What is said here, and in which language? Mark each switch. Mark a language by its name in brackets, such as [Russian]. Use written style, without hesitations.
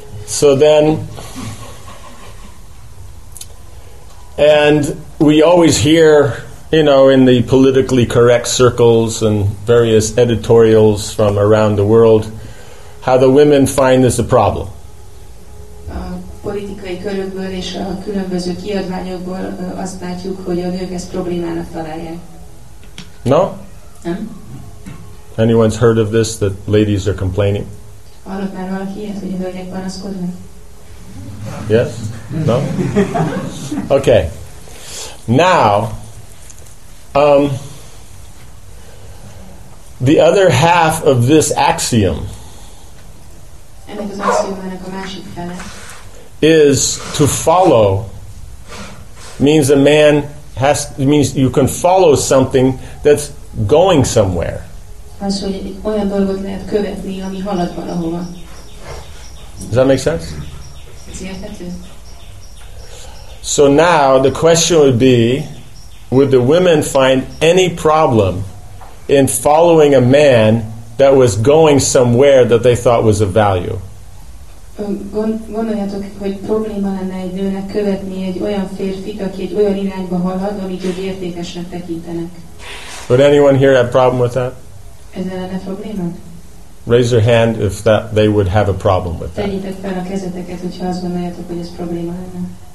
[English] So then, and we always hear, you know, in the politically correct circles and various editorials from around the world, how the women find this a problem. [Hungarian] Politikai körökből és a különböző kiadványokból azt látjuk, hogy a nők ezt problémának találják. [English] No? [Hungarian] Nem? [English] Anyone's heard of this, that ladies are complaining? [Hungarian] Hallott már valaki ilyet, hogy a hölgyek panaszkodnak? [English] Yes? No? Okay. Now, the other half of this axiom, [Hungarian] ennek az axiomának a másik fele, [English] is to follow means a man has, means you can follow something that's going somewhere. [Hungarian] Az, hogy olyan dolgot lehet követni, ami halad valahova. [English] Does that make sense? [Hungarian] Ez érthető? [English] So now the question would be, would the women find any problem in following a man that was going somewhere that they thought was of value? [Hungarian] Gondoljatok, hogy probléma lenne egy nőnek követni egy olyan férfit, aki egy olyan irányba halad, amit ők értékesnek tekintenek. [English] Would anyone here have a problem with that? [Hungarian] Ezzel lenne probléma? [English] Raise your hand if that they would have a problem with that. [Hungarian] Tegyétek fel a kezeteket, hogyha azt gondoljátok, hogy ez probléma lenne.